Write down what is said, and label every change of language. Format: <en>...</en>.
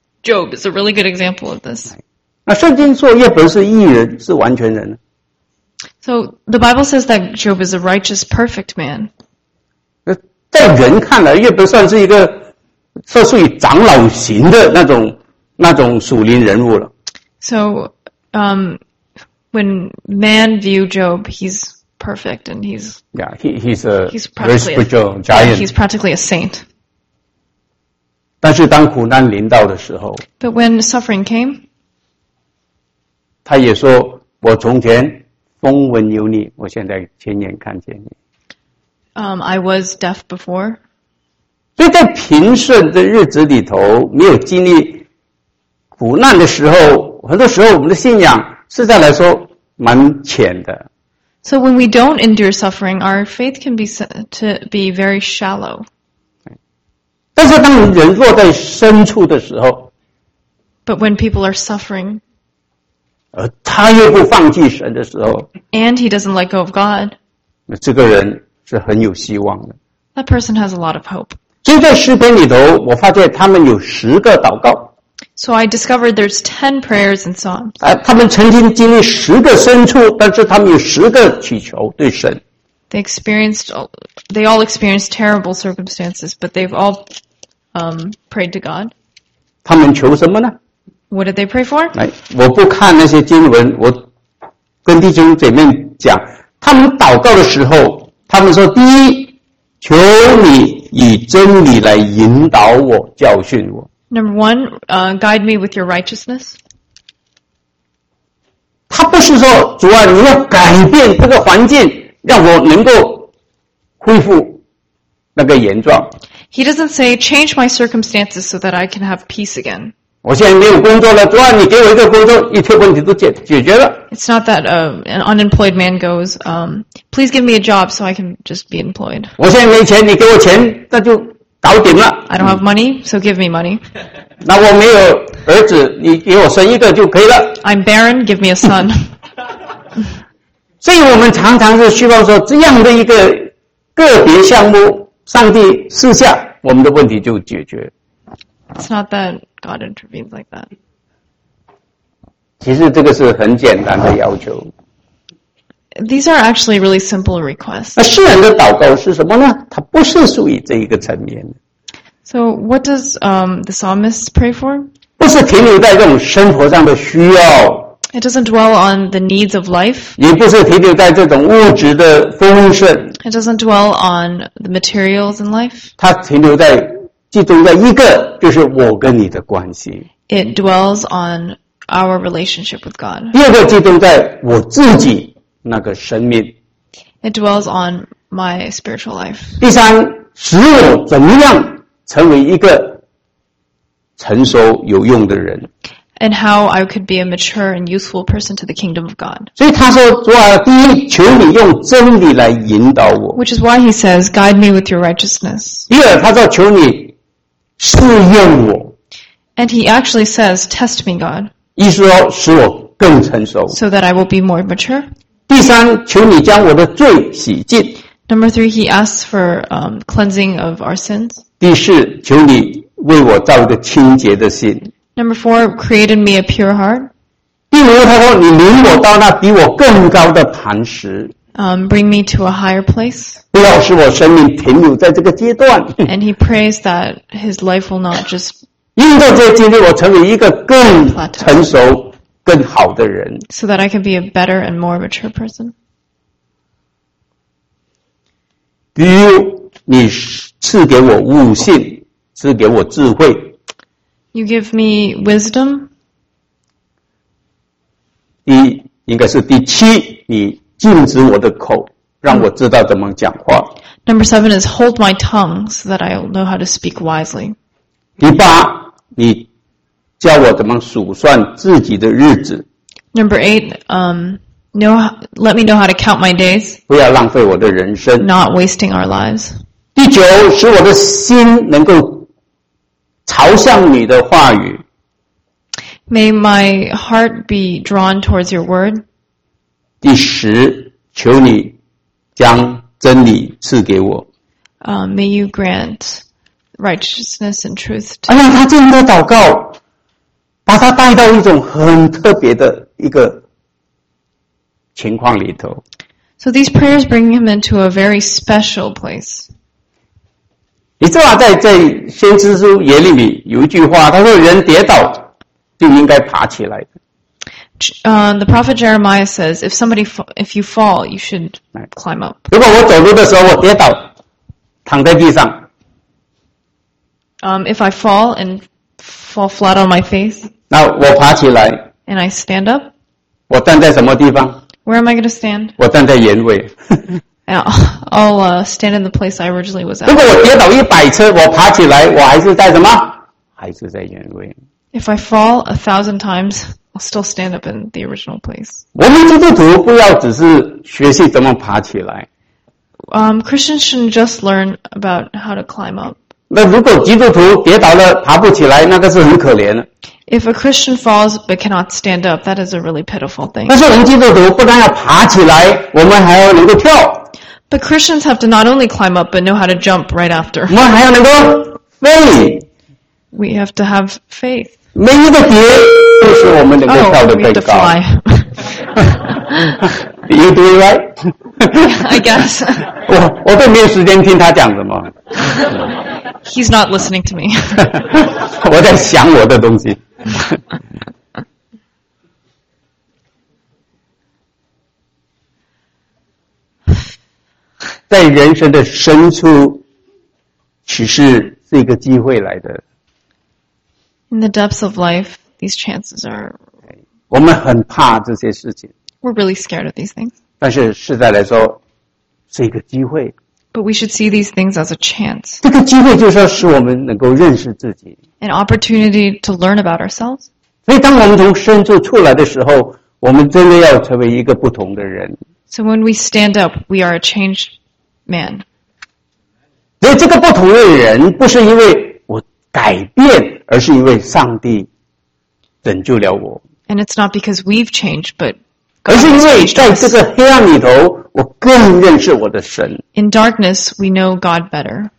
<en>Job is a really good example of this.</en> <zh>那圣经说约伯是义人，是完全人。</zh> <en>So the Bible says that Job is a righteous, perfect man.</en> <zh>在人看来，约伯算是一个说属于长老型的那种属灵人物了。</zh> <en>So, when man view Job, he's perfect and he's he's practically a saint.</en> <zh>但是当苦难临到的时候</zh> <en>，But when suffering came,</en> <zh>他也说：“我从前风闻有你，我现在亲眼看见你。</zh> <en>”I was deaf before.</en> <zh>所以在平顺的日子里头，没有经历苦难的时候，很多时候我们的信仰实在来说蛮浅的。</zh> <en>So when we don't endure suffering, our faith can be said to be very shallow.</en> <zh>但是当人落在深处的时候</zh> <en>，But when people are suffering,</en> <zh>而他又不放弃神的时候</zh> <en>，And he doesn't let go of God,</en> <zh>那这个人是很有希望的。</zh> <en>That person has a lot of hope.</en> <zh>所以在诗篇里头，我发现他们有十个祷告。</zh> <en>So I discovered there's 10 prayers in Psalms.</en> <zh>他们曾经经历十个深处，但是他们有十个祈求对神。</zh> <en>They all experienced terrible circumstances, but they've all prayed to God.</en> <zh>他们求什么呢</zh> <en>？What did they pray for？</en> <zh>我不看那些经文，我跟弟兄姐妹讲，他们祷告的时候，他们说第一。求你以真理来引导我，教训我。</zh> <en>Number one, guide me with your righteousness.</en> <zh>他不是说主啊，你要改变这个环境，让我能够恢复那个原状。</zh> <en>He doesn't say change my circumstances so that I can have peace again.</en> <zh>我现在没有工作了，主啊，你给我一个工作，一切问题都解决了。</zh> <en>It's not that an unemployed man goes, please give me a job so I can just be employed.</en> <zh>我现在没钱，你给我钱，那就搞定了。</zh> <en>I don't have money, so give me money.</en> <zh>那我没有儿子，你给我生一个就可以了。</zh> <en>I'm barren, give me a son.</en> <zh>所以我们常常是希望说这样的一个个别项目，上帝赐下，我们的问题就解决。</zh> <en>It's not that God intervenes like that.</en> <zh>其实这个是很简单的要求。</zh> <en>These are actually really simple requests.</en> <zh>那诗人的祷告是什么呢？它不是属于这一个层面。</zh> <en>So what does the psalmist pray for?</en> <zh>不是停留在这种生活上的需要。</zh> <en>It doesn't dwell on the needs of life.</en> <zh>也不是停留在这种物质的丰盛。</zh> <en>It doesn't dwell on the materials in life.</en> <zh>它停留在集中在一个就是我跟你的关系。</zh> <en>It dwells on our relationship with God.</en> <zh>第二个集中在我自己那个生命。</zh> <en>It dwells on my spiritual life.</en> <zh>第三，使我怎么样成为一个成熟有用的人。</zh> <en>And how I could be a mature and useful person to the kingdom of God.</en> <zh>所以他说，主啊，第一，求你用真理来引导我。</zh> <en>Which is why he says, guide me with your righteousness.</en> <zh>第二，他说，求你试验我。</zh> <en>And he actually says, test me, God.</en> <zh>意思说使我更成熟。</zh> <en>So that I will be more mature.</en> <zh>第三，求你将我的罪洗净。</zh> <en>Number three, he asks for cleansing of our sins.</en> <zh>第四，求你为我造一个清洁的心。</zh> <en>Number four, created me a pure heart.</en> <zh>第五，他说你领我到那比我更高的磐石。</zh> <en>Bring me to a higher place.</en> <zh>不要使我生命停留在这个阶段。</zh> <en>And he prays that his life will not just.</en> <zh>因着这些经历，我成为一个更成熟、更好的人。</zh> <en>So that I can be a better and more mature person.</en> <zh>第六，你赐给我悟性，赐给我智慧。</zh> <en>You give me wisdom.</en> <zh>第应该是第七，你禁止我的口，让我知道怎么讲话。</zh> <en>Number seven is hold my tongue so that I know how to speak wisely.</en> <zh>第八，你教我怎么数算自己的日子。</zh> <en>Number eight, let me know how to count my days.</en> <zh>不要浪费我的人生。</zh> <en>Not wasting our lives.</en> <zh>第九，使我的心能够朝向你的话语。</zh> <en>May my heart be drawn towards your word.</en> <zh>第十，求你将真理赐给我。</zh> <en>May you grant righteousness and truth to me.</en> <zh>哎呀，他这样的祷告，把他带到一种很特别的一个情况里头。</zh> <en>So these prayers bring him into a very special place.</en> <zh>你知道在先知书耶利米有一句话，他说人跌倒就应该爬起来。</zh> <en>The prophet Jeremiah says, if you fall, you should climb up.</en> <zh>如果我走路的时候我跌倒，躺在地上。</zh> <en>If I fall and fall flat on my face,</en> <zh>那我爬起来。</zh> <en>And I stand up.</en> <zh>我站在什么地方？</zh> <en>Where am I going to stand?</en> <zh>我站在原位。</zh> <en>I'll stand in the place I originally was at.</en> <zh>如果我跌倒一百次，我爬起来，我还是在什么？还是在原位。</zh> <en>If I fall 1,000 times, I'll still stand up in the original place.</en> <zh>我们基督徒不要只是学习怎么爬起来。</zh> <en>Christians shouldn't just learn about how to climb up.</en> <zh>那如果基督徒跌倒了爬不起来，那个是很可怜的。</zh> <en>If a Christian falls but cannot stand up, that is a really pitiful thing.</en> <zh>但是我们基督徒不但要爬起来，我们还要能够跳。</zh> <en>But Christians have to not only climb up but know how to jump right after.</en> <zh>我们还要能够飞。</zh> <en>We have to have faith.</en> <zh>每一个蝶都是我们能够跳得更高。</zh> <en>Oh, we have to fly. You do it right? I guess.</en> <zh>我都没有时间听他讲什么。</zh> <en>He's not listening to me.</en> <zh>我在想我的东西。在人生的深处，其实是一个机会来的。</zh> <en>In the depths of life, these chances are.</en> <zh>我们很怕这些事情。</zh> <en>We're really scared of these things.</en> <zh>但是实在来说，是一个机会。</zh> <en>But we should see these things as a chance.</en> <zh>这个机会就是要使我们能够认识自己。</zh> <en>An opportunity to learn about ourselves.</en> <zh>所以当我们从深处出来的时候，我们真的要成为一个不同的人。</zh> <en>So when we stand up, we are a changed man.</en> <zh>所以这个不同的人不是因为我改变，而是因为上帝拯救了我。</zh> <en>And it's not because we've changed, but God has changed us.</en> <zh>而是因为在这个黑暗里头，我更认识我的神。</zh> <en>In darkness, we know God better.</en>